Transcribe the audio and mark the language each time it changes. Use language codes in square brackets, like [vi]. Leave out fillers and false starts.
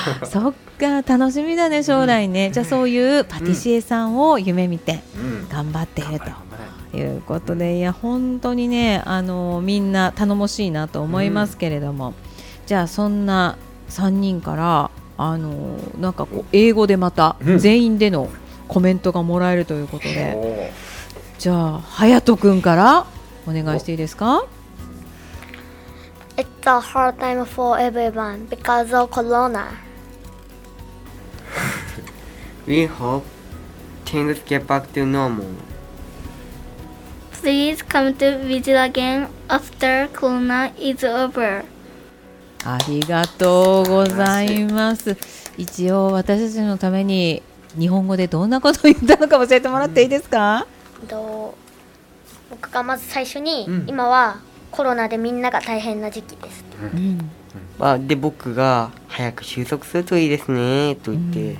[ja] そっか楽しみだね将来ね、うん。じゃあそういうパティシエさんを夢見て頑張っていると。うんうんいうことで、いや本当にねみんな頼もしいなと思いますけれども、うん、じゃあそんな3人からなんかこう英語でまた全員でのコメントがもらえるということで、うん、じゃあハヤト君からお願いしていいですか？ [en] It's a hard time for everyone because of corona. We hope things get back to normal Please come to visit again after Corona is over. [ja] ありがとうございます。一応私たちのために日本語でどんなことを言ったのか教えてもらっていいですか？うん、僕がまず最初に、うん、今はコロナでみんなが大変な時期です。うんまあ、で僕が早く収束するといいですねと言って。